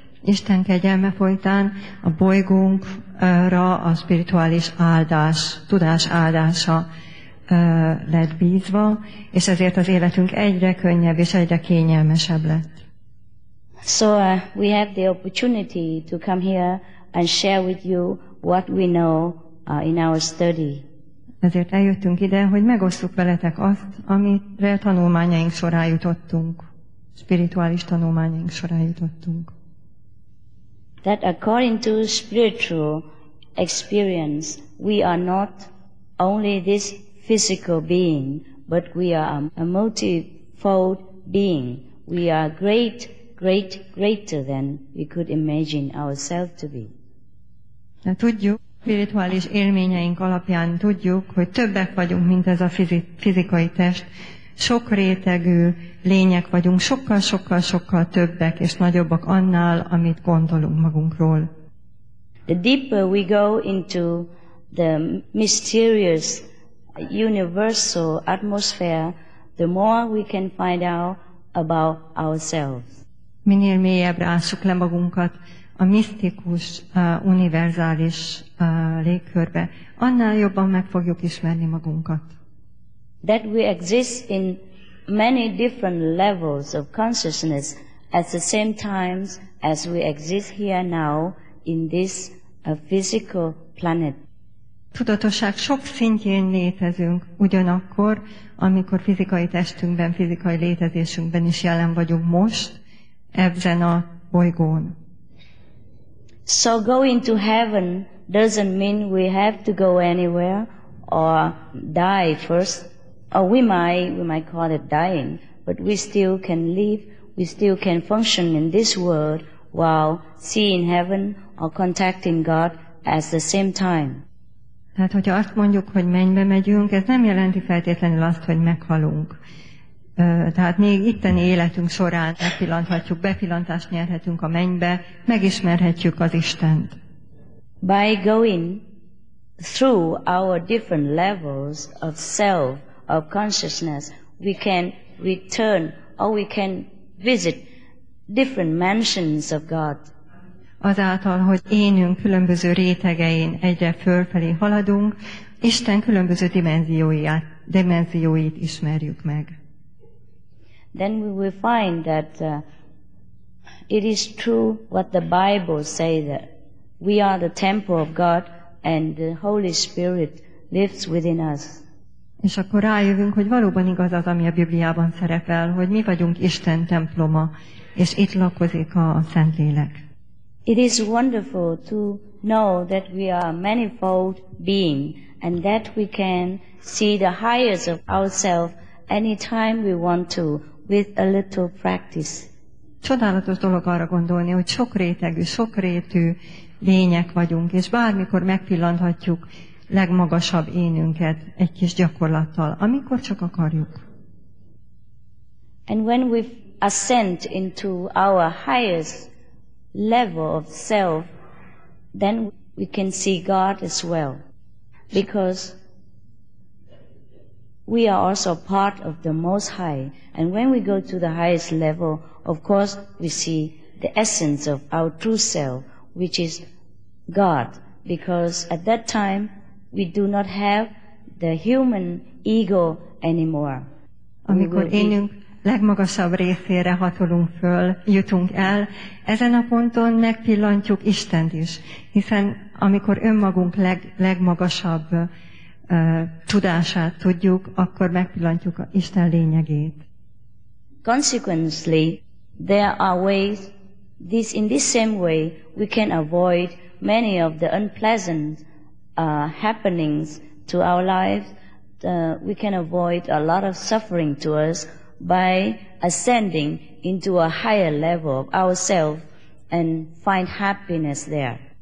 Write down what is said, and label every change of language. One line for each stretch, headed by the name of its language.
Hungarian: Isten kegyelme folytán a bolygónkra a spirituális áldás, tudás áldása lett bízva, és ezért az életünk egyre könnyebb és egyre kényelmesebb lett.
English: So we have the opportunity to come here and share with you what we know in our study.
Hungarian: Ezért eljöttünk ide, hogy megosszuk veletek azt, amire tanulmányaink során jutottunk, spirituális tanulmányaink során jutottunk.
English: That according to spiritual experience, we are not only this physical being, but we are a multifold being. We are great, great, greater than we could imagine ourselves to be.
Hungarian: De tudjuk, spirituális élményeink alapján tudjuk, hogy többek vagyunk, mint ez a fizikai test. Sok rétegű lények vagyunk, sokkal, sokkal, sokkal többek és nagyobbak annál, amit gondolunk magunkról.
English: The deeper we go into the mysterious universal atmosphere, the more we can find out about ourselves.
Hungarian: Minél mélyebbre ássuk le magunkat a misztikus, univerzális légkörbe, annál jobban meg fogjuk ismerni magunkat.
English: That we exist in many different levels of consciousness at the same time as we exist here now in this physical planet.
Hungarian: Tudatosság sok szintjén létezünk ugyanakkor, amikor fizikai testünkben, fizikai létezésünkben is jelen vagyunk most, ezen a bolygón.
English: So going to heaven doesn't mean we have to go anywhere or die first. Or we might call it dying, but we still can live, we still can function in this world while seeing heaven or contacting God at the same time.
Hungarian: Tehát, hogyha azt mondjuk, hogy mennybe megyünk, ez nem jelenti feltétlenül azt, hogy meghalunk. Tehát még itteni életünk során megpillanthatjuk, bepillantást nyerhetünk a mennybe, megismerhetjük az Istent.
English: By going through our different levels of self, of consciousness, we can return or we can visit different mansions of God.
Hungarian: Azáltal, hogy énünk különböző rétegein egyre fölfelé haladunk, Isten különböző dimenzióit ismerjük meg.
English: Then we will find that it is true what the Bible says, that we are the temple of God and the Holy Spirit lives within us.
Hungarian: És akkor rájövünk, hogy valóban igaz az, ami a Bibliában szerepel, hogy mi vagyunk Isten temploma, és itt lakozik a Szentlélek.
English: It is wonderful to know that we are a manifold being and that we can see the highest of ourselves anytime we want to, with a little practice.
Hungarian: Csodálatos dolog arra gondolni, hogy sokrétegű, sokrétű lények vagyunk, és bármikor megpillanthatjuk legmagasabb énünket egy kis gyakorlattal, amikor csak akarjuk.
English: And when we ascend into our highest level of self, then we can see God as well, because we are also part of the Most High. And when we go to the highest level, of course, we see the essence of our true self, which is God, because at that time, we do not have the human ego anymore.
Hungarian: Amikor énünk legmagasabb részére hatolunk föl, jutunk el, ezen a ponton megpillantjuk Istent is, hiszen amikor önmagunk legmagasabb tudását tudjuk, akkor megpillantjuk Isten lényegét.
English: Consequently, there are ways, this in this same way, we can avoid many of the unpleasant happenings to our lives. We can avoid a lot of suffering to us by ascending into a higher level of ourselves and find happiness there.